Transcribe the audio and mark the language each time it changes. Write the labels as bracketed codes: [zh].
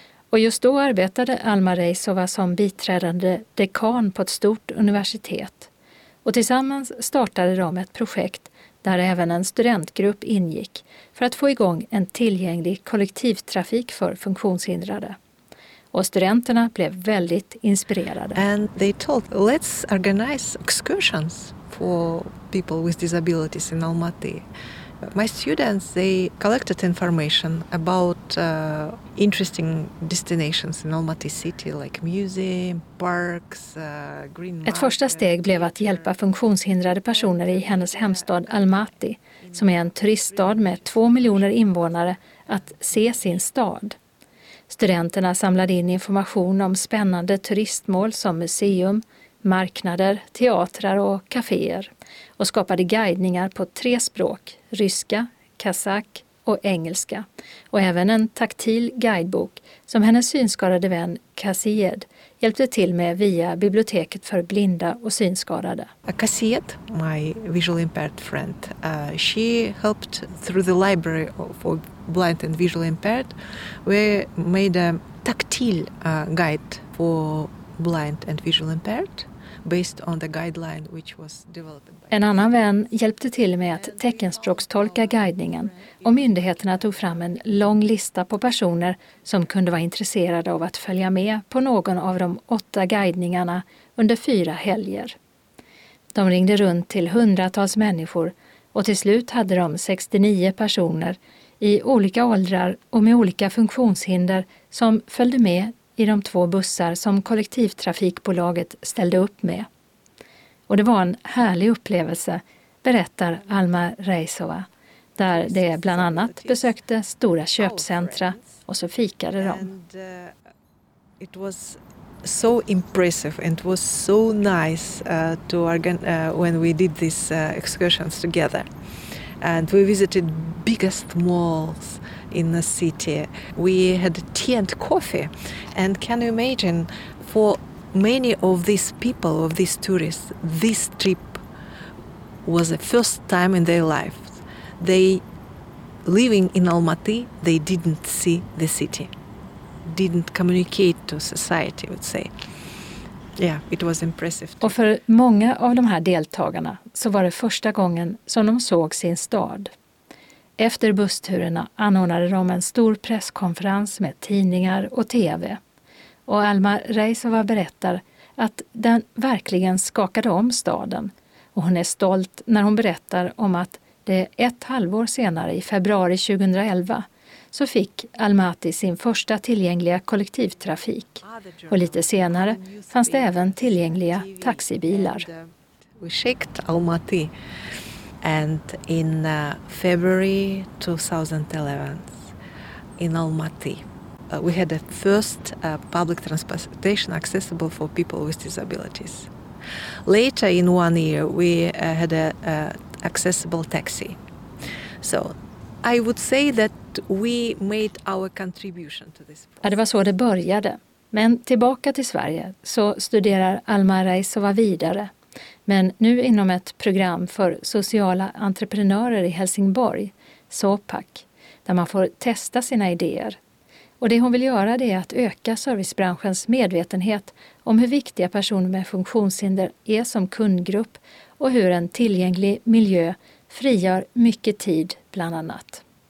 [sv] Och just då arbetade Alma Reisova som biträdande dekan på ett stort universitet. Och tillsammans startade de ett projekt där även en studentgrupp ingick för att få igång en tillgänglig kollektivtrafik för funktionshindrade. Och studenterna blev väldigt inspirerade. [en] And they told, let's organize excursions for people with disabilities in Almaty. My students, they collected information about interesting destinations in Almaty city, like museum, parks, green market. [sv] Ett första steg blev att hjälpa funktionshindrade personer i hennes hemstad Almaty, som är en turiststad med 2 miljoner invånare, att se sin stad. Studenterna samlade in information om spännande turistmål som museum, marknader, teatrar och kaféer och skapade guidningar på 3 språk, ryska, kazak och engelska. Och även en taktil guidebok som hennes synskadade vän Kasied hjälpte till med via biblioteket för blinda och synskadade. [en] Kasied, my visually impaired friend, she helped through the library for blind and visually impaired. We made a tactile guide for blind and visually impaired based on the guideline which was developed by. [sv] En annan vän hjälpte till med att teckenspråkstolka guidningen och myndigheterna tog fram en lång lista på personer som kunde vara intresserade av att följa med på någon av de 8 guidningarna under 4 helger. De ringde runt till 100-tals människor och till slut hade de 69 personer i olika åldrar och med olika funktionshinder som följde med i de 2 bussar som kollektivtrafikbolaget ställde upp med. Och det var en härlig upplevelse, berättar Alma Reisova, där det bland annat besökte stora köpcentra och så fikade de. [en] It was so impressive and it was so nice to organ when we did these excursions together. And we visited biggest malls in the city. We had tea and coffee. And can you imagine, for many of these people, of these tourists, this trip was the first time in their life. They, living in Almaty, they didn't see the city, didn't communicate to society, I would say. Yeah, it was impressive. [sv] Och för många av de här deltagarna så var det första gången som de såg sin stad. Efter bussturerna anordnade de en stor presskonferens med tidningar och tv. Och Alma Reisova berättar att den verkligen skakade om staden. Och hon är stolt när hon berättar om att det ett halvår senare, i februari 2011, så fick Almaty sin första tillgängliga kollektivtrafik. Och lite senare fanns det även tillgängliga taxibilar. Vi skickade Almaty. [en] And in February 2011 in Almaty, we had the first public transportation accessible for people with disabilities. Later in one year, we had an accessible taxi. So I would say that we made our contribution to this process. [sv] Ja, det var så det började. Men tillbaka till Sverige så studerar Alma Reisova vidare. Men nu inom ett program för sociala entreprenörer i Helsingborg, SOPAC, där man får testa sina idéer. Och det hon vill göra det är att öka servicebranschens medvetenhet om hur viktiga personer med funktionshinder är som kundgrupp och hur en tillgänglig miljö frigör mycket tid bland annat.